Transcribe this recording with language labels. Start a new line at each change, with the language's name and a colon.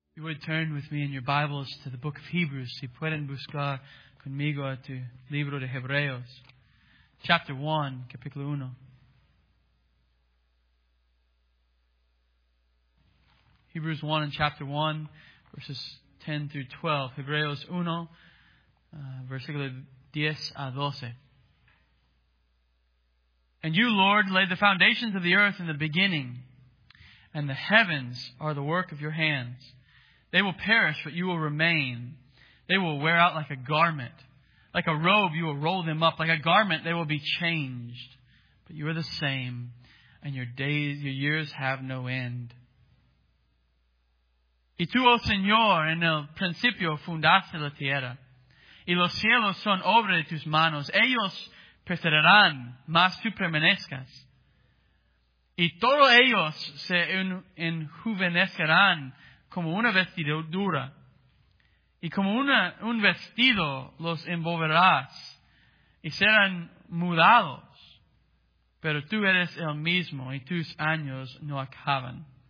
English: You would turn with me in your Bibles to the book of Hebrews.
Spanish: Si pueden buscar conmigo a tu libro de Hebreos.
English: Chapter 1,
Spanish: capítulo 1.
English: Hebrews 1 and chapter 1, verses 10 through 12.
Spanish: Hebreos 1, versículos 10 a 12.
English: And you, Lord, laid the foundations of the earth in the beginning, and the heavens are the work of your hands. They will perish, but you will remain. They will wear out like a garment. Like a robe, you will roll them up. Like a garment, they will be changed. But you are the same, and your days, your years have no end.
Spanish: Y tú, oh Señor, en el principio fundaste la tierra. Y los cielos son obra de tus manos. Ellos perecerán, mas tú permanezcas. Y todos ellos se enjuvenecerán como una vestidura, y como un vestido los envolverás, y serán mudados, pero tú eres el mismo, y tus años no acaban.